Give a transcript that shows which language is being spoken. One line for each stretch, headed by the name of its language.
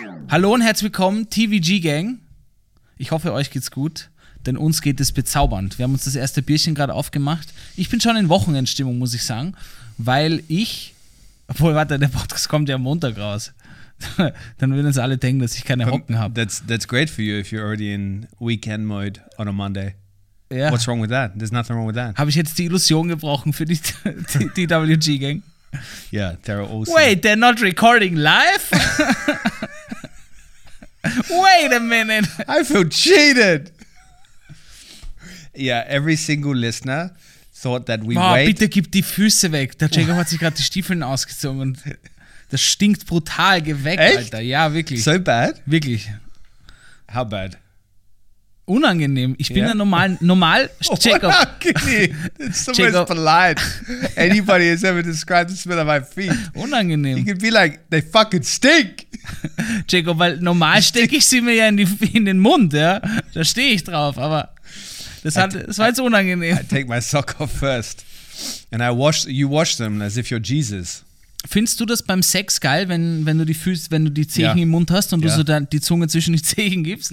German: Hallo und herzlich willkommen, TWG Gang. Ich hoffe, euch geht's gut, denn uns geht es bezaubernd. Wir haben uns das erste Bierchen gerade aufgemacht. Ich bin schon in Wochenendstimmung, muss ich sagen, weil ich, obwohl, warte, der Podcast kommt ja am Montag raus. Dann würden uns alle denken, dass ich keine Hocken habe.
English: That's great for you if you're already in weekend mode on a Monday. Yeah. What's wrong with that? There's nothing wrong with that.
German: Habe ich jetzt die Illusion gebrochen für die TWG-Gang?
English: Yeah, they're all awesome. Wait, they're not recording live? Wait a minute. I feel cheated. Yeah, every single listener thought that we wait.
German: Bitte gib die Füße weg. Der Jacob hat sich gerade die Stiefeln ausgezogen. Das stinkt brutal. Geh weg, echt? Alter. Ja, wirklich.
English: So bad?
German: Wirklich.
English: How bad?
German: Unangenehm. Ich bin ja normal. Jacob.
English: It's the most polite anybody has ever described the smell of my feet.
German: Unangenehm.
English: You could be like, they fucking stink.
German: Jacob, weil normal stecke ich sie mir ja in den Mund, ja. Da stehe ich drauf, aber das war jetzt unangenehm.
English: I take my sock off first. And you wash them as if you're Jesus.
German: Findest du das beim Sex geil, wenn du die Zehen im Mund hast und du so dann die Zunge zwischen die Zehen gibst?